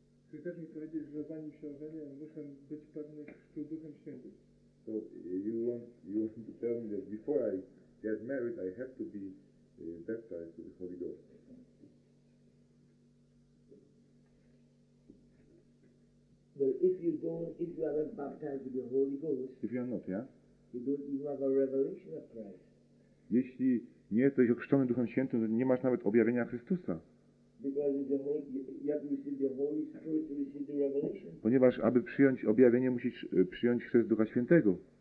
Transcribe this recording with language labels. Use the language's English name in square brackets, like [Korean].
[Polish] Czyli też mi powiedzieć, że zanim się ożenię, muszę być pewny chrztu Duchem Świętym. [English] So you want to tell me that before I get married, I have to be baptized with the Holy Ghost. Well, if you are not baptized with the Holy Ghost, if you are not, yeah, you don't even have a revelation of Christ. [Polish] Jeśli nie jesteś ochrzczony Duchem Świętym, to nie masz nawet objawienia Chrystusa. [English] Because you have to receive the Holy Spirit to receive the revelation. [Polish] Ponieważ aby przyjąć objawienie, musisz przyjąć chrzest Ducha Świętego.